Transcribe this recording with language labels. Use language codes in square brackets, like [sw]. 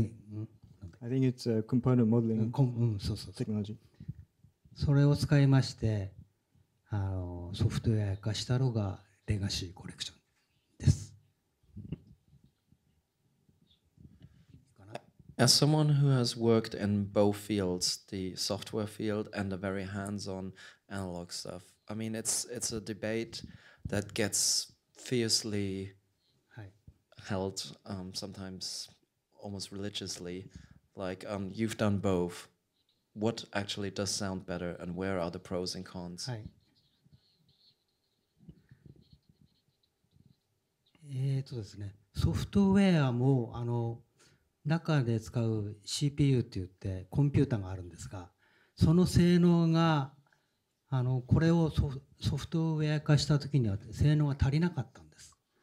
[en] ニ I think it's a component modeling technology. [ja] それを使いまして、ソフトウェア化したのがレガシーコレクションです。 [en] As someone who has worked in both fields, the software field and the very hands-on analog stuff, I mean, it's a debate that gets fiercely held, sometimes almost religiously. Like, you've done both. What actually does sound better, and where are the pros and cons? [ja] はい。ですね、ソフトウェアも中で使う CPU って言ってコンピューターがあるんですが、その性能がこれをソフトウェア化した時には性能が足りなかったんです。